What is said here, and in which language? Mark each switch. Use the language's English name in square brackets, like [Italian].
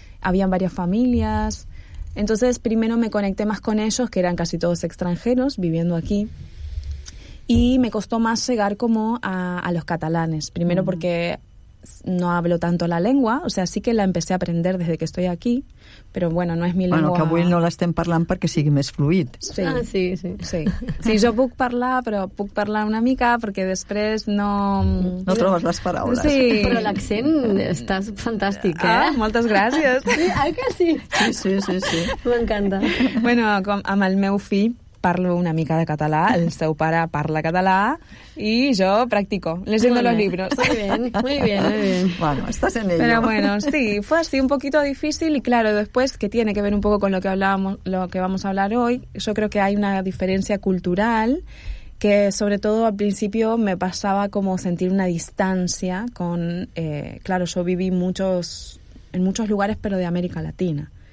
[Spanish] Habían varias familias. Entonces primero me conecté más con ellos, que eran casi todos extranjeros viviendo aquí. Y me costó más llegar como a los catalanes. Primero uh-huh. porque no hablo tanto la lengua. O sea, sí que la empecé a aprender desde que estoy aquí. Pero bueno, no es mi lengua. [Catalan] Bueno, que avui no l'estem parlant perquè sigui més fluid. Sí. Ah, sí, sí. Sí, sí, jo puc parlar, però puc parlar una mica perquè després no... No trobes les paraules. Sí. Però l'accent està fantàstic, eh? Ah, moltes gràcies. Sí, ah, que sí? Sí, sí, sí, sí. M'encanta. Bueno, amb el meu fill... Parlo una mica de català, el seu pare parla català i jo practico, llegint els llibres. [Spanish] Muy bien, muy bien. [Catalan] Bueno, estàs en ello. [Spanish] Però bueno, sí, fue así un poquito difícil y claro, después que tiene que ver un poco con lo que hablábamos, lo que vamos a hablar hoy, yo creo que hay una diferencia cultural que sobre todo al principio me pasaba como sentir una distancia con claro, yo viví en muchos lugares pero de América Latina.